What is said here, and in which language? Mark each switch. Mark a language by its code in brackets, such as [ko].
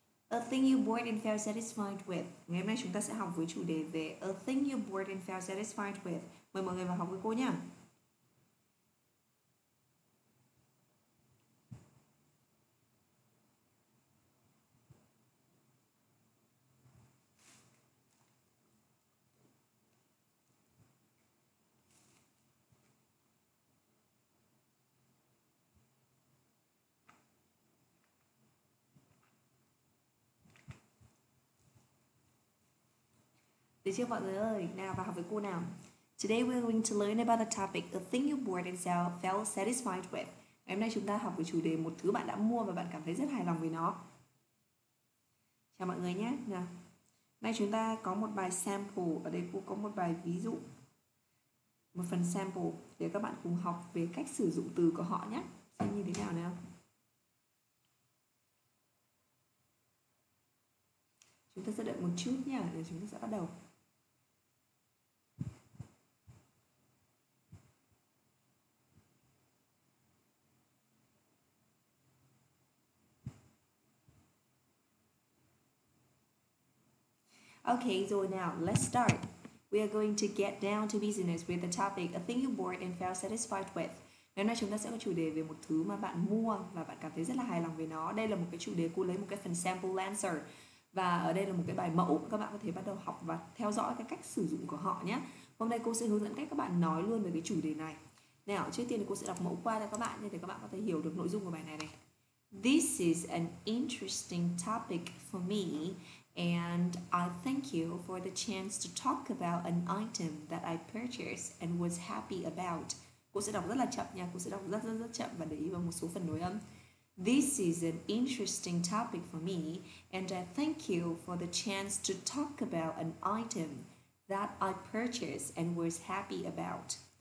[en] A thing you bored and felt satisfied with. [vi] Ngày hôm nay chúng ta sẽ học với chủ đề về [en] a thing you bored and felt satisfied with. [vi] Mời mọi người vào học với cô nha. Được chưa mọi người ơi? Nào vào học với cô nào. [en] Today we're going to learn about the topic a thing you bought and felt satisfied with. [vi] Ngày hôm nay chúng ta học về chủ đề một thứ bạn đã mua và bạn cảm thấy rất hài lòng với nó. Chào mọi người nhé. Nào. Nay chúng ta có một bài sample, ở đây cô có một bài ví dụ. Một phần sample để các bạn cùng học về cách sử dụng từ của họ nhé. Xem như thế nào nào. Chúng ta sẽ đợi một chút nha, để chúng ta sẽ bắt đầu. [en] Okay, so now, let's start. We are going to get down to business with the topic, a thing you bought and felt satisfied with. [vi] Ngày hôm nay chúng ta sẽ có chủ đề về một thứ mà bạn mua và bạn cảm thấy rất là hài lòng với nó. Đây là một cái chủ đề cô lấy một cái phần sample answer. Và ở đây là một cái bài mẫu, các bạn có thể bắt đầu học và theo dõi cái cách sử dụng của họ nhé. Hôm nay cô sẽ hướng dẫn cách các bạn nói luôn về cái chủ đề này. Nào, trước tiên thì cô sẽ đọc mẫu qua cho các bạn để các bạn có thể hiểu được nội dung của bài này này. [en] This is an interesting topic for me and I thank you for the chance to talk about an item that I purchased and was happy about. [vi] Cô sẽ đọc rất là chậm nha, cô sẽ đọc rất chậm và để ý vào một số phần nối âm. [en] This is an interesting topic for me, and I thank you for the chance to talk about an item that I purchased and was happy about.